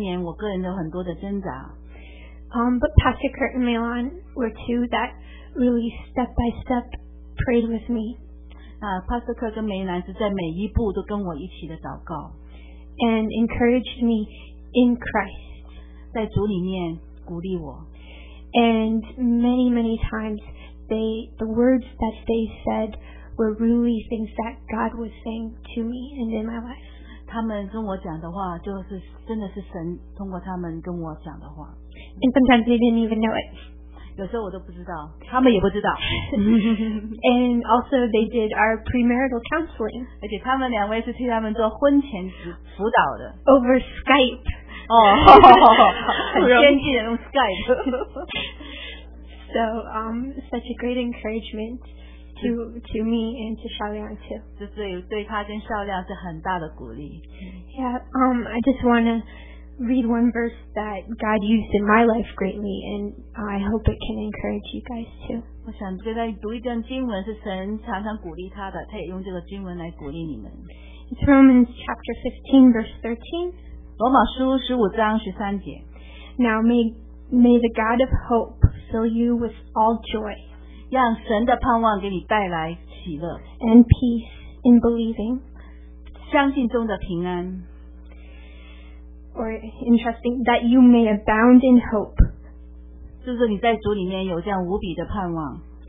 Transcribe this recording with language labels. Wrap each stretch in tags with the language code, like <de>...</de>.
<zh>我个人也要谢谢你们，因为过去三年我个人有很多的挣扎。</zh> <en>But Pastor Kurt and Milan were two that really step by step prayed with me.</en> <zh>Pastor Kurt 跟梅兰是在每一步都跟我一起的祷告。</zh> <en>And encouraged me in Christ.</en> <zh>在主里面鼓励我。</zh> <en>And many, many times, the words that they said were really things that God was saying to me and in my life.</en> <zh>他们跟我讲的话，就是真的是神通过他们跟我讲的话。</zh> <en>And sometimes they didn't even know it.</en> <zh>有时候我都不知道，他们也不知道。</zh> <en>And also they did our premarital counseling.</en> <zh>而且他们两位是替他们做婚前辅导的。</zh> <en>Over Skype.</en> <zh>哦，很先进，用 Skype.</zh> <en>So, such a great encouragement to me and to Xiao Liang too.</en> <zh>这对他跟少亮是很大的鼓励。</zh> <en>Yeah, I just want to read one verse that God used in my life greatly, and I hope it can encourage you guys too.</en> <zh>我想跟他读一段经文，是神常常鼓励他的，他也用这个经文来鼓励你们。</zh> <en>It's Romans chapter 15, verse 13.</en> <zh>罗马书15章13节。</zh> <en>Now may the God of hope fill you with all joy.</en> <zh>让神的盼望给你带来喜乐。</zh> <en>And peace in believing.</en> <zh>相信中的平安。</zh> <en>Or interesting, that you may abound in hope.</en> <zh>就是你在主里面有这样无比的盼望。</zh>